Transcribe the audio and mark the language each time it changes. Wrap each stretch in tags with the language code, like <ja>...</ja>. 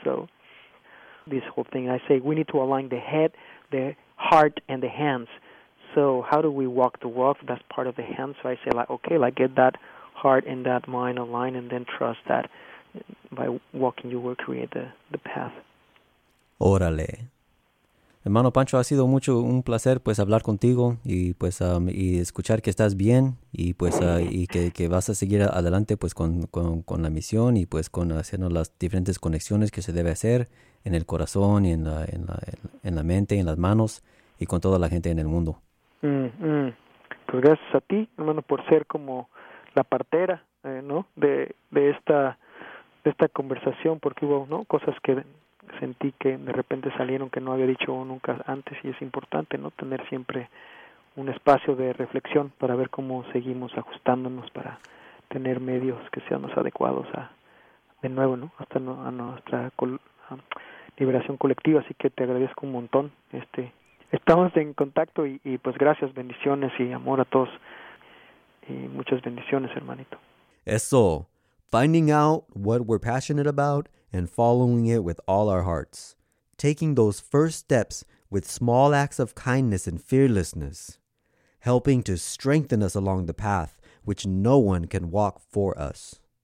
<en>So this whole thing, I say we need to align the head, the heart, and the hands. So how do we walk the walk? That's part of the hand. So I say, get that heart and that mind aligned, and then trust that by walking you will create the path.</en> <es>Órale. Hermano Pancho, ha sido mucho un placer pues hablar contigo y escuchar que estás bien y que vas a seguir adelante pues con la misión y pues con haciendo las diferentes conexiones que se debe hacer en el corazón y en la mente y en las manos y con toda la gente en el mundo. Pues gracias a ti, hermano, por ser como la partera, ¿no? De esta conversación, porque hubo, ¿no?, cosas que sentí que de repente salieron que no había dicho nunca antes, y es importante, ¿no?, tener siempre un espacio de reflexión para ver cómo seguimos ajustándonos para tener medios que sean más adecuados a, de nuevo, ¿no?, hasta no, a nuestra liberación colectiva. Así que te agradezco un montón. Estamos en contacto y pues gracias, bendiciones y amor a todos, y muchas bendiciones, hermanito.</es> <en>Eso, finding out what we're passionate about and following it with all our hearts. Taking those first steps with small acts of kindness and fearlessness. Helping to strengthen us along the path which no one can walk for us.</en>